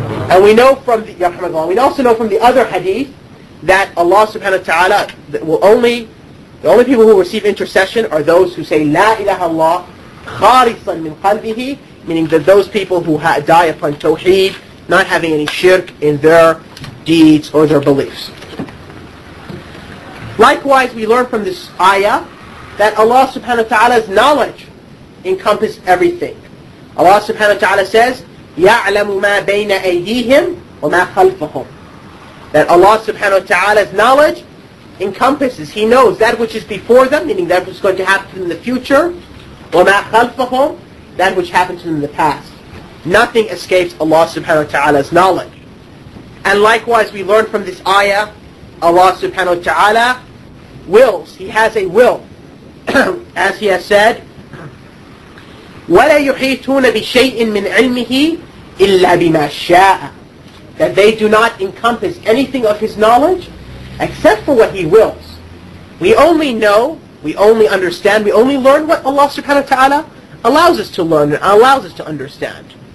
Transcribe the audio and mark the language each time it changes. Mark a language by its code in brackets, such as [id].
[en] And we know from the Yarhamakallah, we also know from the other hadith that Allah subhanahu wa ta'ala will only, the only people who receive intercession are those who say [ar] La ilaha Allah khalisan min qalbihi, [en] meaning that those people who die upon tawheed, not having any shirk in their deeds or their beliefs. Likewise, we learn from this ayah that Allah subhanahu wa ta'ala's knowledge encompass everything. Allah subhanahu wa ta'ala says, [ar] يَعْلَمُ مَا بَيْنَ أَيْدِيهِمْ وَمَا خَلْفَهُمْ. [en] That Allah subhanahu wa ta'ala's knowledge encompasses, He knows that which is before them, meaning that which is going to happen to them in the future, [ar] وَمَا خَلْفَهُمْ, [en] that which happened to them in the past. Nothing escapes Allah subhanahu wa ta'ala's knowledge. And likewise, we learn from this ayah, Allah subhanahu wa ta'ala wills, He has a will. As He has said, [ar] وَلَا يُحِيطُونَ بِشَيْءٍ مِّنْ عِلْمِهِ إِلَّا بِمَا شَاءَ. [en] That they do not encompass anything of his knowledge except for what he wills. We only know, we only understand, we only learn what Allah subhanahu wa ta'ala allows us to learn and allows us to understand.